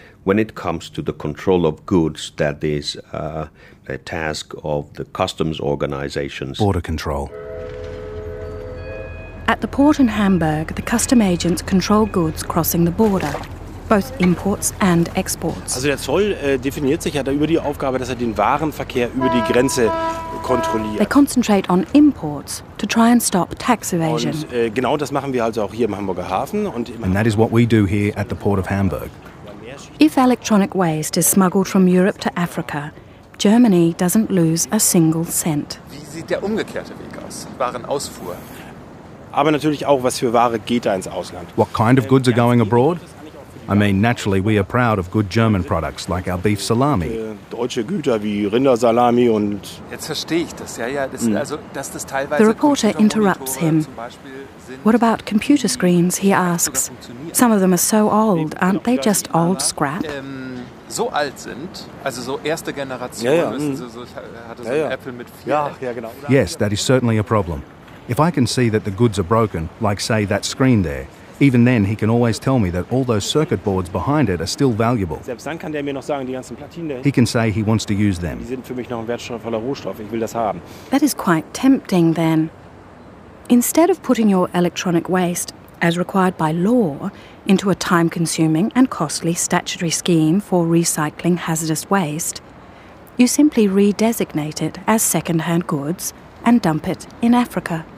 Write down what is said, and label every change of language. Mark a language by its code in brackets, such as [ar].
[en] When it comes to the control of goods, that is a task of the customs organizations. Border control. At the port in Hamburg, the custom agents control goods crossing the border, both imports and exports. [de] Also der Zoll definiert sich ja da über die Aufgabe, dass den Warenverkehr über die Grenze kontrolliert. [en] They concentrate on imports to try and stop tax evasion. [de] Und genau das machen wir also auch hier im Hamburger Hafen. [en] And that is what we do here at the port of Hamburg. If electronic waste is smuggled from Europe to Africa, Germany doesn't lose a single cent. [de] Wie sieht der umgekehrte Weg aus? Warenausfuhr. Aber natürlich auch, was für Ware geht da ins Ausland? [en] What kind of goods are going abroad? I mean, naturally, we are proud of good German products, like our beef salami. [de] Deutsche Güter wie Rindersalami und... Jetzt verstehe ich das, ja, ja. Das, also, dass das teilweise [en] the reporter interrupts him. What about computer screens, he asks. Some of them are so old, aren't they just old scrap? [de] So alt sind, also so erste Generation, ja, ja. Apple mit vier... Ja, ja, genau. [en] Yes, that is certainly a problem. If I can see that the goods are broken, like, say, that screen there, even then, he can always tell me that all those circuit boards behind it are still valuable. [de] Selbst dann kann der mir noch sagen, die ganzen Platinen dahin. [en] He can say he wants to use them. [de] Die sind für mich noch ein wertvoller Rohstoff. Ich will das haben. [en] That is quite tempting, then. Instead of putting your electronic waste, as required by law, into a time-consuming and costly statutory scheme for recycling hazardous waste, you simply redesignate it as second-hand goods and dump it in Africa.